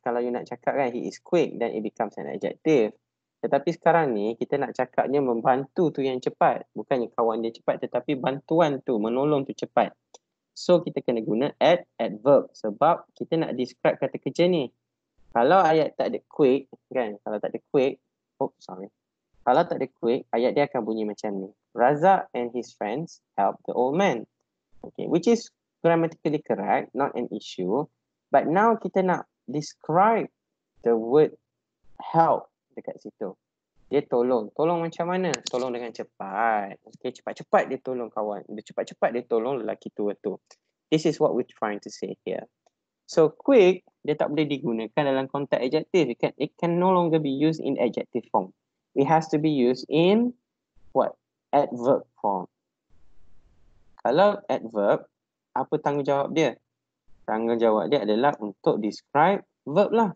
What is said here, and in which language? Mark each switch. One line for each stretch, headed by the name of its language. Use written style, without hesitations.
Malay: Kalau you nak cakap kan,
English: he is quick, then it becomes an adjective.
Malay: Tetapi sekarang ni, kita nak cakapnya membantu tu yang cepat. Bukannya kawan dia cepat, tetapi bantuan tu, menolong tu cepat. So, kita kena guna adverb. Sebab kita nak describe kata kerja ni. Kalau ayat tak ada quick, kan? Kalau tak ada quick, Kalau tak ada quick, ayat dia akan bunyi macam ni.
English: Raza and his friends help the old man. Okay, which is grammatically correct, not an issue. But now
Malay: kita nak describe the word help dekat situ. Dia tolong. Tolong macam mana? Tolong dengan cepat. Okay, cepat-cepat dia tolong kawan. Cepat-cepat dia tolong lelaki tua tu.
English: This is what we're trying to say here.
Malay: So quick, dia tak boleh digunakan dalam konteks adjective.
English: It can no longer be used in adjective form. It has to be used in what? Adverb form.
Malay: Kalau adverb, apa tanggungjawab dia? Tanggungjawab dia adalah untuk describe verb lah.